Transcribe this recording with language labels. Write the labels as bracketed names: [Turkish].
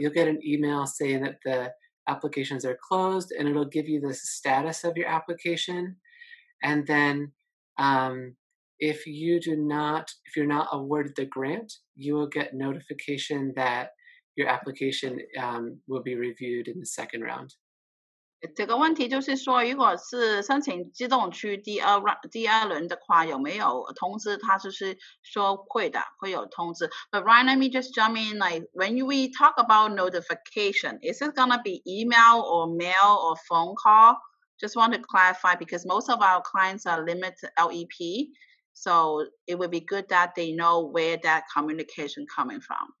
[English] You'll get an email saying that the applications are closed, and it'll give you the status of your application. And then if you're not awarded the grant, you will get notification that your application will be reviewed in the second round. [Chinese] 这个问题就是说，如果是申请自动区第二轮的话，有没有通知？他就是说会的，会有通知。 [English] But Ryan, let me just jump in. Like when we talk about notification, is it gonna be email or mail or phone call? Just want to clarify because most of our clients are limited LEP, so it would be good that they know where that communication coming from.